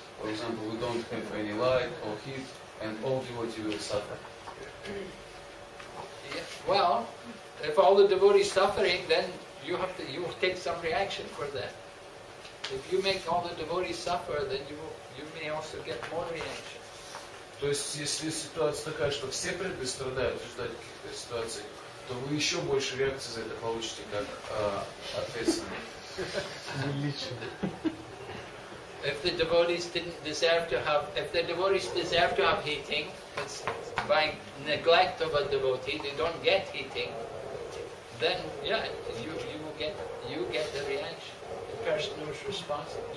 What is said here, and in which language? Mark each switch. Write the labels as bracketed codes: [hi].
[en] For example, we don't have any light or heat, and all devotees will suffer. Yeah, well, if all the devotees suffering, then you will take some reaction for that. If you make all the devotees suffer, then you may also get more reaction. [ru] То есть, если ситуация такая, что все преданные страдают, ждать каких-то ситуаций, то вы еще больше реакции за это получите, как ответственные. Лично. [en] If the devotees deserve to have heating, by neglect of a devotee, they don't get heating, then yeah, you get the reaction, the person who's responsible.